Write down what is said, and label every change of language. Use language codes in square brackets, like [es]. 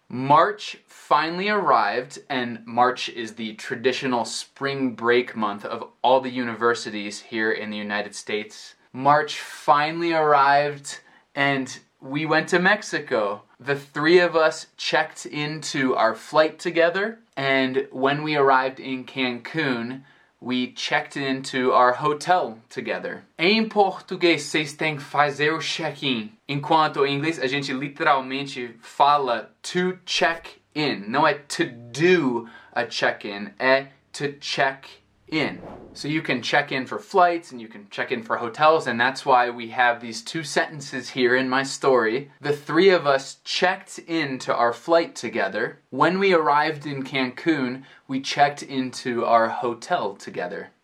[en] March finally arrived, and March is the traditional spring break month of all the universities here in the United States. March finally arrived, and we went to Mexico. The three of us checked into our flight together, and when we arrived in Cancun, we checked into our hotel together. [pt] Em português, vocês têm que fazer o check-in. Enquanto em inglês, a gente literalmente fala [en] to check in. [pt] Não é [en] to do a check-in, [pt] é [en] to check in. So you can check in for flights and you can check in for hotels, and that's why we have these two sentences here in my story. The three of us checked into our flight together. When we arrived in Cancun, we checked into our hotel together.